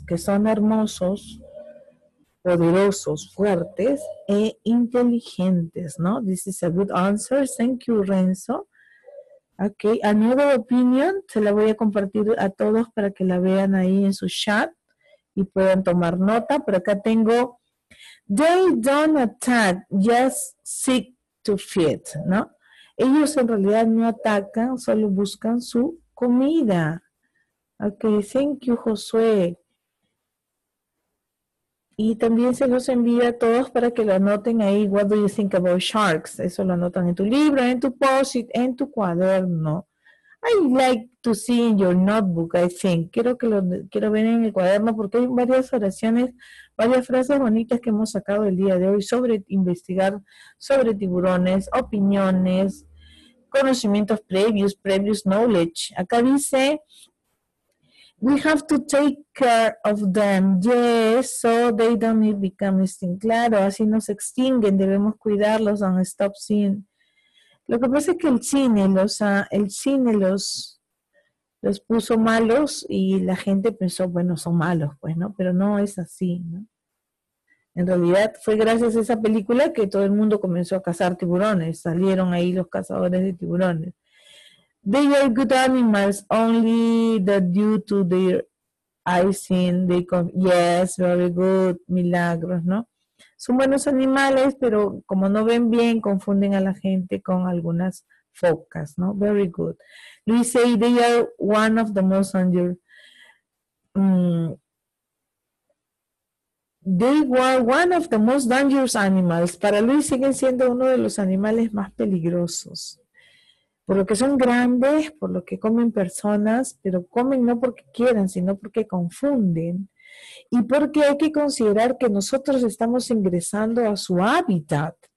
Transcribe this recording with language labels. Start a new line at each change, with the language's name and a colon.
Spanish: Que son hermosos, poderosos, fuertes, e inteligentes, ¿no?
English: This is a good answer. Thank you, Renzo. Okay, another opinion.
Spanish: Se la voy a compartir a todos para que la vean ahí en su chat y puedan tomar nota. Pero acá tengo,
English: they don't attack, just seek to feed, ¿no?
Spanish: Ellos en realidad no atacan, solo buscan su comida.
English: Okay, thank you, Josué.
Spanish: Y también se los envía a todos para que lo anoten ahí.
English: What do you think about sharks?
Spanish: Eso lo anotan en tu libro, en tu post-it, en tu cuaderno.
English: I like to see in your notebook, I think.
Spanish: Quiero ver en el cuaderno porque hay varias oraciones, varias frases bonitas que hemos sacado el día de hoy sobre investigar sobre tiburones, opiniones, conocimientos previos, previous knowledge. Acá dice,
English: we have to take care of them. Yes, so they don't become extinct.
Spanish: Claro, así no se extinguen. Debemos cuidarlos.
English: Don't stop seeing.
Spanish: Lo que pasa es que el cine los puso malos y la gente pensó, bueno, son malos, pues, ¿no? Pero no es así, ¿no? En realidad fue gracias a esa película que todo el mundo comenzó a cazar tiburones. Salieron ahí los cazadores de tiburones.
English: They are good animals, only that due to their icing, they come. Yes, very good, milagros, ¿no?
Spanish: Son buenos animales, pero como no ven bien, confunden a la gente con algunas focas, ¿no?
English: Very good. Luis say they are one of the most under. They were one of the most dangerous animals.
Spanish: Para Luis siguen siendo uno de los animales más peligrosos. Por lo que son grandes, por lo que comen personas, pero comen no porque quieran, sino porque confunden. Y porque hay que considerar que nosotros estamos ingresando a su hábitat.